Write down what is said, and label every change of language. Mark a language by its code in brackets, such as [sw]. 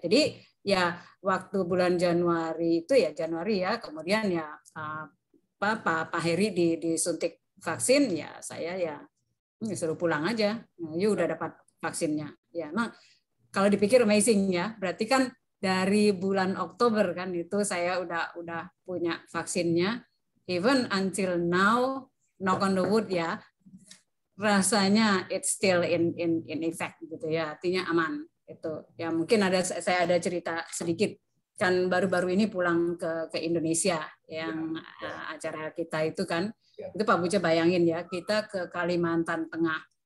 [id] Jadi ya waktu bulan Januari itu ya Januari ya, kemudian ya Pak Heri disuntik vaksin ya, saya ya suruh pulang aja. Nah, ya udah dapat vaksinnya. Ya emang kalau dipikir amazing ya. Berarti kan dari bulan Oktober kan itu saya udah punya vaksinnya. [en] Even until now, knock on the wood ya, [id] rasanya [en] it's still in effect gitu ya, [id] artinya aman itu. Ya mungkin ada saya ada cerita sedikit kan, baru-baru ini pulang ke Indonesia yang acara kita itu kan, itu Pak Buca bayangin ya, kita ke Kalimantan Tengah.